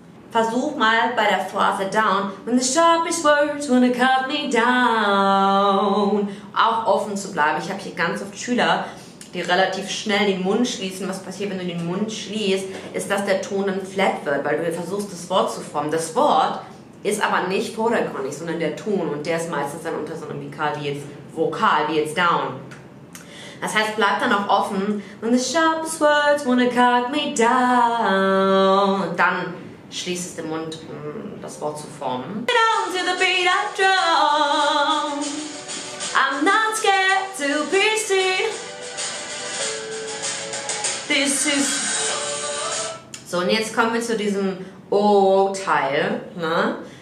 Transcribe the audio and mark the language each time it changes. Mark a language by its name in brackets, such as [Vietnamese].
[German] Versuch mal bei der Phrase down, [English] when the sharpest words wanna cut me down, [German] auch offen zu bleiben. Ich habe hier ganz oft Schüler, die relativ schnell den Mund schließen. Was passiert, wenn du den Mund schließt, ist, dass der Ton dann flat wird, weil du versuchst, das Wort zu formen. Das Wort ist aber nicht vordergründig, sondern der Ton. Und der ist meistens dann unter so einem Vokal, wie jetzt down. Das heißt, bleib dann auch offen. [English] When the sharpest words wanna cut me down. [German] Und dann schließt es den Mund, um das Wort zu formen. [English] Down to the beat I drum. I'm not scared to be seen. [German] So, und jetzt kommen wir zu diesem O-Teil, ne?